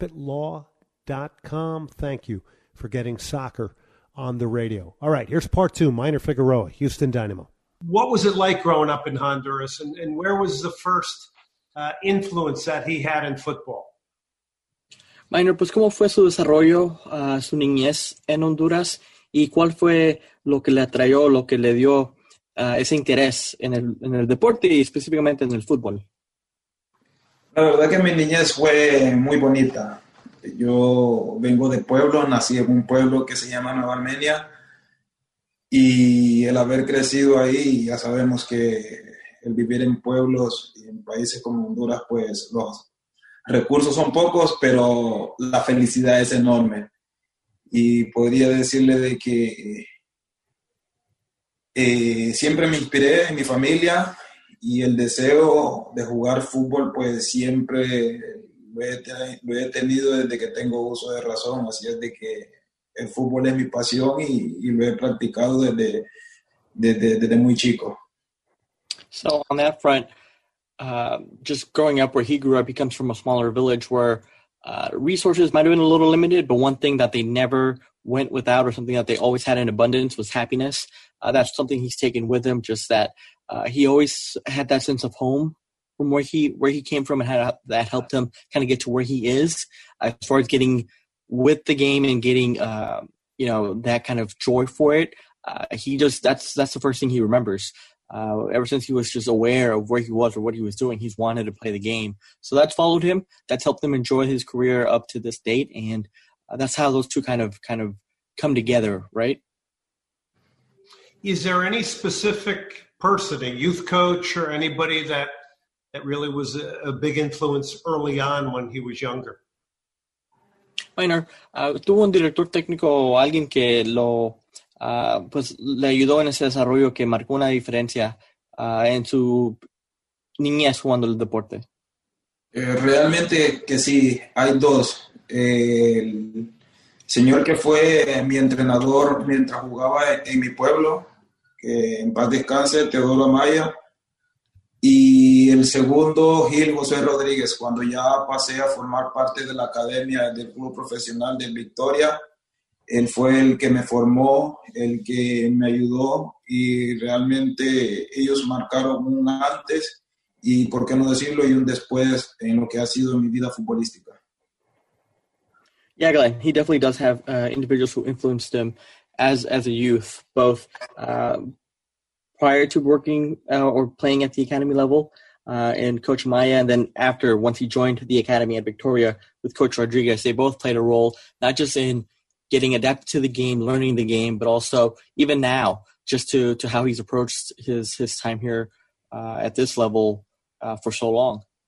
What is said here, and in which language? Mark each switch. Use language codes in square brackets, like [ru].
[en] DaspitLaw.com. Thank you for getting soccer on the radio. All right, here's part two, Minor Figueroa, Houston Dynamo. What was it like growing up in Honduras, and where was the first influence that he had in football? [es] Minor, pues, ¿cómo fue su desarrollo, su niñez en Honduras, y cuál fue lo que le atrayó, lo que le dio ese interés en el deporte y específicamente en el fútbol? La verdad que mi niñez fue muy bonita. Yo vengo de pueblo, nací en un pueblo que se llama Nueva Armenia, y el haber crecido ahí, ya sabemos que el vivir en pueblos y en países como Honduras, pues los recursos son pocos, pero la felicidad es enorme. Y podría decirle de que siempre me inspiré en mi familia, y el deseo de jugar fútbol, pues siempre lo he tenido desde que tengo uso de razón, así es de que el fútbol es mi pasión y lo he practicado desde muy chico. [en] So on that front, just growing up where he grew up, he comes from a smaller village where resources might have been a little limited, but one thing that they never went without or something that they always had in abundance was happiness. That's something he's taken with him, just that he always had that sense of home from where he came from, and had that helped him kind of get to where he is as far as getting with the game and getting you know, that kind of joy for it. That's the first thing he remembers. Ever since he was just aware of where he was or what he was doing, he's wanted to play the game. So that's followed him. That's helped him enjoy his career up to this date, and that's how those two kind of come together, right? Is there any specific person, a youth coach or anybody that really was a big influence early on when he was younger? [es] Minor, tuvo un director técnico o alguien que lo pues le ayudó en ese desarrollo que marcó una diferencia en su niñez jugando el deporte? Realmente que sí, hay dos. El señor que fue mi entrenador mientras jugaba en mi pueblo, que en paz descanse, Teodoro Amaya. Y el segundo, Gil José Rodríguez, cuando ya pasé a formar parte de la academia del club profesional de Victoria, él fue el que me formó, el que me ayudó, y realmente ellos marcaron un antes, y por qué no decirlo, y un después en lo que ha sido mi vida futbolística. [en] Yeah, Glenn, he definitely does have individuals who influenced him as a youth, both prior to working or playing at the academy level and Coach Maya, and then after, once he joined the academy at Victoria with Coach Rodriguez, they both played a role, not just in getting adapted to the game, learning the game, but also even now, just to how he's approached his time here at this level for so long.